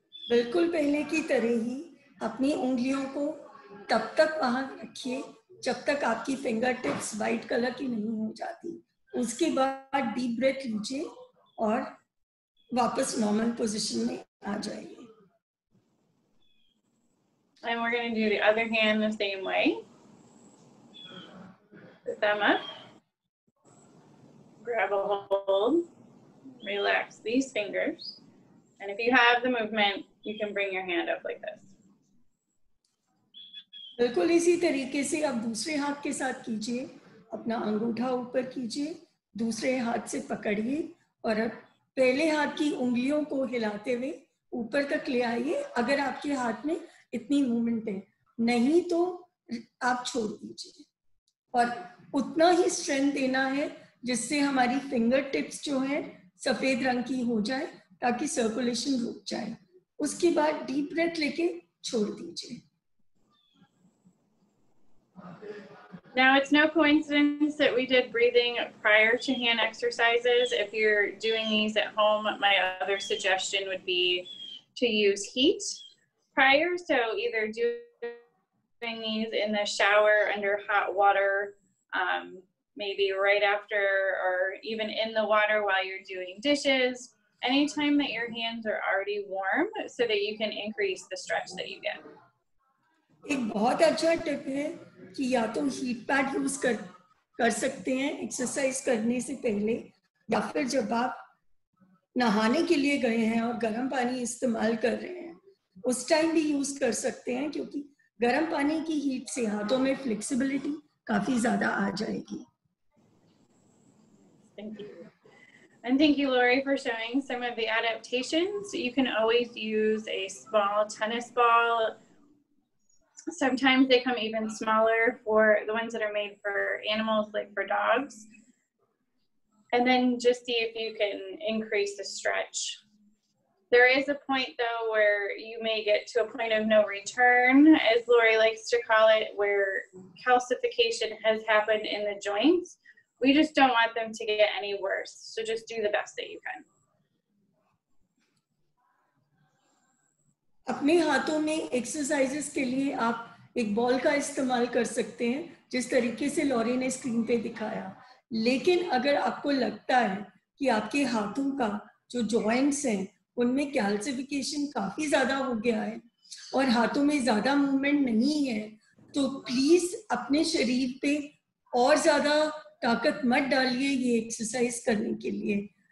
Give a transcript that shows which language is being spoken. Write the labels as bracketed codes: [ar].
[hi] बिल्कुल पहले की तरह ही अपनी उंगलियों को तब तक वहां रखिए जब तक आपकी fingertips white color की नहीं हो जाती. उसके बाद deep breath लीजिए और वापस नॉर्मल पोजीशन में आ जाइए. [en] And we're going to do the other hand the same way. Sit them up. Grab a hold. Relax these fingers. And if you have the movement, you can bring your hand up like this. [hi] बिल्कुल इसी तरीके से आप दूसरे हाथ के साथ कीजिए. अपना अंगूठा ऊपर कीजिए. दूसरे हाथ से पकड़िए और पहले हाथ की उंगलियों को हिलाते हुए ऊपर तक ले आइए. अगर आपके हाथ में इतनी मूवमेंट है, नहीं तो आप छोड़ दीजिए. और उतना ही स्ट्रेंथ देना है जिससे हमारी फिंगर टिप्स जो है सफेद रंग की हो जाए ताकि सर्कुलेशन रुक जाए. उसके बाद डीप ब्रेथ लेके छोड़ दीजिए. [en] Now it's no coincidence that we did breathing prior to hand exercises. If you're doing these at home, my other suggestion would be to use heat prior. So either doing these in the shower under hot water, maybe right after, or even in the water while you're doing dishes, anytime that your hands are already warm so that you can increase the stretch that you get. एक बहुत अच्छा tip है कि या तो heat pad use कर सकते हैं एक्सरसाइज करने से पहले, या फिर जब आप नहाने के लिए गए हैं और गर्म पानी इस्तेमाल कर रहे हैं उस टाइम भी यूज कर सकते हैं, क्योंकि गर्म पानी की हीट से हाथों में फ्लेक्सिबिलिटी काफी ज्यादा आ जाएगी. And thank you, Lori, for showing some of the adaptations. You can always use a small tennis ball. Sometimes they come even smaller for the ones that are made for animals, like for dogs. And then just see if you can increase the stretch. There is a point, though, where you may get to a point of no return, as Lori likes to call it, where calcification has happened in the joints. We just don't want them to get any worse. So just do the best that you can. [hi] अपने हाथों में exercises के लिए आप एक ball का इस्तेमाल कर सकते हैं, जिस तरीके से लॉरी ने स्क्रीन पे दिखाया. लेकिन अगर आपको लगता है कि आपके हाथों का जो जॉइंट्स हैं उनमें कैल्सिफिकेशन काफी ज्यादा हो गया है और हाथों में ज्यादा मूवमेंट नहीं है, तो प्लीज अपने शरीर पे और ज्यादा ताकत मत डालिए ये एक्सरसाइज करने के लिए.